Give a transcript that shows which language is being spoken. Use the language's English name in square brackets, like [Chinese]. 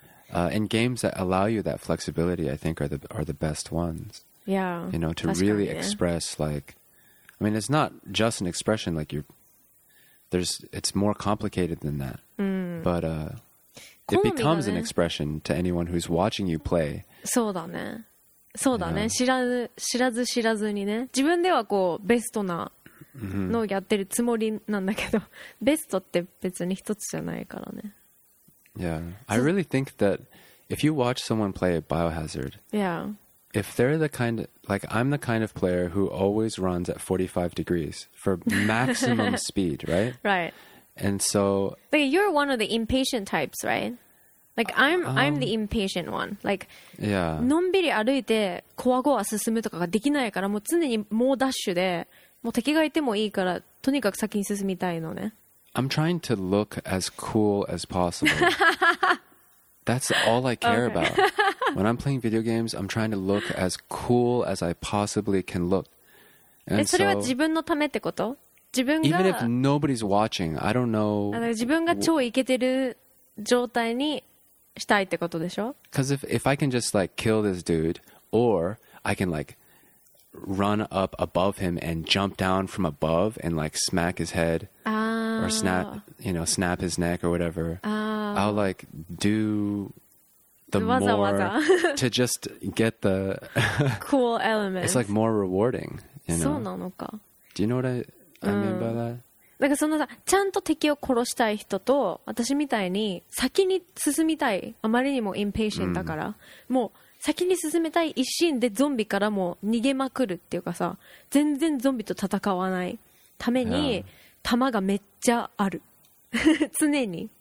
[English] and games that allow you that flexibility, I think, are the best ones. Yeah. You know, to really express, like... I mean, it's not just an expression, like, it's more complicated than that. But, It becomes an expression to anyone who's watching you play. [Japanese] そうだね。そうだね。知らずにね。自分ではこう、ベストなのをやってるつもりなんだけど、ベストって別に一つじゃないからね。 [English] Yeah. I really think that if you watch someone play Biohazard, yeah. If they're the kind of, like, I'm the kind of player who always runs at 45 degrees for maximum speed, right? Right. And so, like, you're one of the impatient types, right? Like, I'm the impatient one. Like, yeah, [Japanese] のんびり歩いてこわごわ進むとかができないから、もう常に猛ダッシュで、もう敵がいてもいいから、とにかく先に進みたいのね。 [English] I'm trying to look as cool as possible. That's all I care about. When I'm playing video games, I'm trying to look as cool as I possibly can look. [Japanese] And それは自分のためってこと？ [English] Even if nobody's watching, I don't know. [Japanese] 自分が超イケてる状態にしたいってことでしょ？ [English] Because if I can just like kill this dude, or I can like run up above him and jump down from above and like smack his head or snap, you know, snap his neck or whatever. I'll like do the more to just get the cool element. It's like more rewarding, you know. [Japanese] そうなのか。 [English] Do you know what I mean by that? [Japanese] なんかそのさ、ちゃんと敵を殺したい人と私みたいに先に進みたい、あまりにもインペーシェントだから、もう先に進めたい一心でゾンビからもう逃げまくるっていうかさ、全然ゾンビと戦わないために弾がめっちゃある常に。